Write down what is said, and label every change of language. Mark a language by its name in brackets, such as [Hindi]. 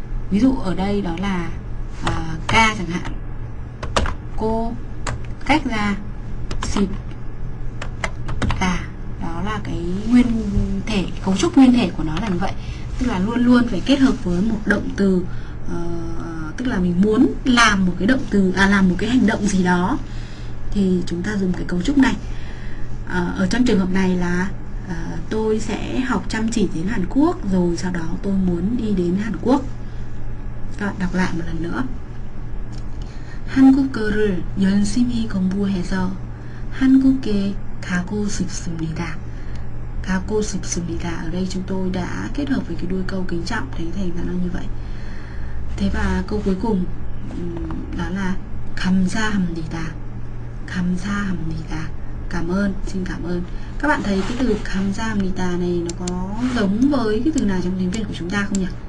[Vietnamese] Ví dụ ở đây đó là ca chẳng hạn, cô cách ra xịt tà, đó là cái nguyên thể, cấu trúc nguyên thể của nó là như vậy, tức là luôn luôn phải kết hợp với một động từ, tức là mình muốn làm một cái động từ, à làm một cái hành động gì đó thì chúng ta dùng cái cấu trúc này. Ở trong trường hợp này là tôi sẽ học chăm chỉ đến Hàn Quốc rồi sau đó tôi muốn đi đến Hàn Quốc. Các bạn đọc lại một lần nữa. [Korean] 한국어를 열심히 공부해서 한국에 가고 싶습니다. 가고 싶습니다. [Vietnamese] Ở đây chúng tôi đã kết hợp với cái đuôi câu kính trọng, thấy thành ra nó như vậy. Thế và câu cuối cùng đó là 감사합니다. [Korean] 감사합니다. [Vietnamese] Cảm ơn, xin cảm ơn. Các bạn thấy cái từ 감사합니다 này nó có giống với cái từ nào trong tiếng Việt của chúng ta không nhỉ?